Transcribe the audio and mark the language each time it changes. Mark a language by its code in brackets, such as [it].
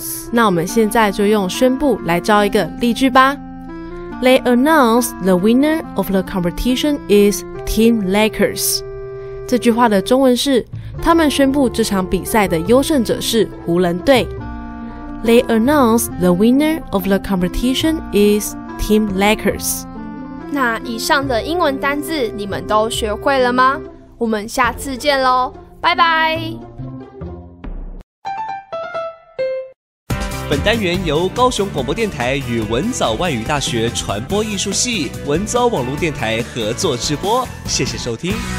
[zh] 那我们现在就用宣布来造一个例句吧。 [en] They announced the winner of the competition is Team Lakers。 [zh] 这句话的中文是：他们宣布这场比赛的优胜者是湖人队。 [en] They announced the winner of the competition is Team Lakers。 [zh] 那以上的英文单字你们都学会了吗？我们下次见咯，拜拜。本单元由高雄广播电台与文藻外语大学传播艺术系文藻网络电台合作直播，谢谢收听。